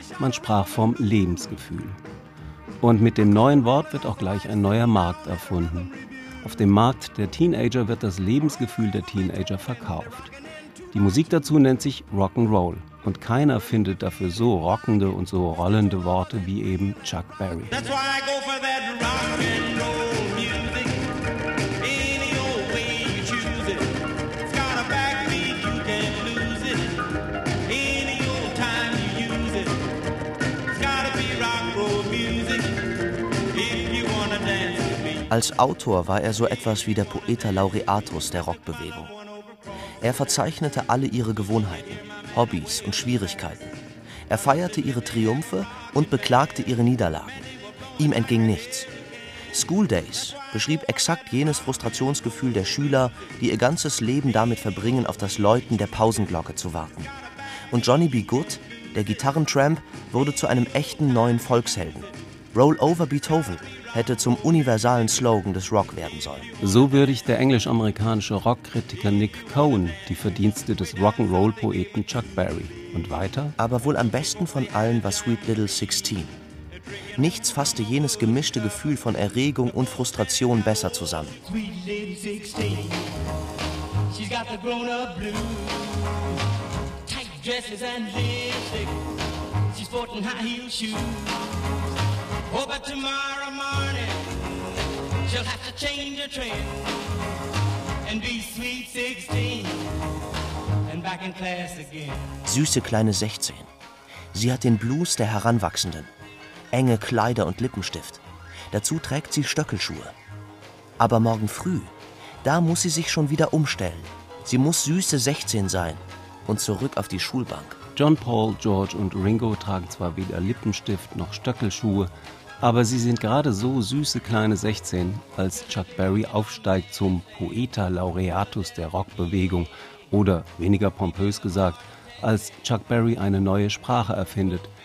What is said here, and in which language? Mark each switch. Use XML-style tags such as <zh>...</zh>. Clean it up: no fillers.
<de>Man sprach vom Lebensgefühl. Und mit dem neuen Wort wird auch gleich ein neuer Markt erfunden. Auf dem Markt der Teenager wird das Lebensgefühl der Teenager verkauft. Die Musik dazu nennt sich Rock'n'Roll. Und keiner findet dafür so rockende und so rollende Worte wie eben Chuck Berry.</de> <en>That's why I go for that Rock'n'Roll music. Any old way you choose it. It's got a backbeat, you can't lose it. Any old time you use it. It's gotta be Rock'n'Roll music. If you wanna dance with me.</en> <de>Als Autor war er so etwas wie der Poeta Laureatus der Rockbewegung. Er verzeichnete alle ihre Gewohnheiten, Hobbys und Schwierigkeiten. Er feierte ihre Triumphe und beklagte ihre Niederlagen. Ihm entging nichts. School Days beschrieb exakt jenes Frustrationsgefühl der Schüler, die ihr ganzes Leben damit verbringen, auf das Läuten der Pausenglocke zu warten. Und Johnny B. Goode, der Gitarrentramp, wurde zu einem echten neuen Volkshelden. Roll Over Beethoven hätte zum universalen Slogan des Rock werden sollen. So würdigt der englisch-amerikanische Rockkritiker Nick Cohen die Verdienste des Rock'n'Roll-Poeten Chuck Berry. Und weiter? Aber wohl am besten von allen war Sweet Little Sixteen. Nichts fasste jenes gemischte Gefühl von Erregung und Frustration besser zusammen.</de> <en>Sweet Little Sixteen, she's got the grown-up blues. Tight dresses and lipstick, she's sporting high-heeled shoes. Oh, but tomorrow morning, she'll have to change her train and be Sweet Sixteen and back in class again.</en> <de>Süße kleine 16. Sie hat den Blues der Heranwachsenden. Enge Kleider und Lippenstift. Dazu trägt sie Stöckelschuhe. Aber morgen früh, da muss sie sich schon wieder umstellen. Sie muss süße 16 sein und zurück auf die Schulbank. John, Paul, George und Ringo tragen zwar weder Lippenstift noch Stöckelschuhe, aber sie sind gerade so süße kleine 16, als Chuck Berry aufsteigt zum Poeta Laureatus der Rockbewegung oder, weniger pompös gesagt, als Chuck Berry eine neue Sprache erfindet.</de>